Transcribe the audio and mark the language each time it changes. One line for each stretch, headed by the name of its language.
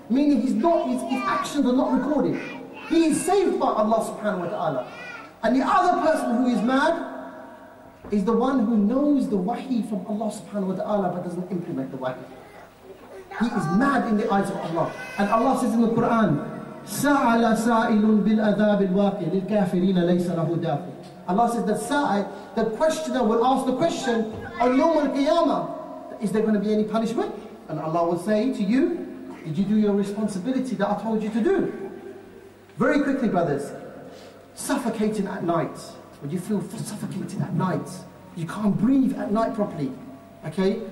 English: Meaning his actions are not recorded. He is saved by Allah subhanahu wa ta'ala. And the other person who is mad is the one who knows the wahi from Allah subhanahu wa ta'ala but doesn't implement the wahi. He is mad in the eyes of Allah. And Allah says in the Quran,
Arabic: سَعَلَ سَائِلٌ بِالْأَذَابِ الْوَاقِعِ لِلْكَافِرِينَ لَيْسَ لَهُ دَافِعٌ.
English: Allah says that the questioner will ask the question on Yawm al-Qiyamah, is there going to be any punishment? And Allah will say to you, did you do your responsibility that I told you to do? Very quickly, brothers, suffocating at night. When you feel suffocated at night, you can't breathe at night properly. Okay?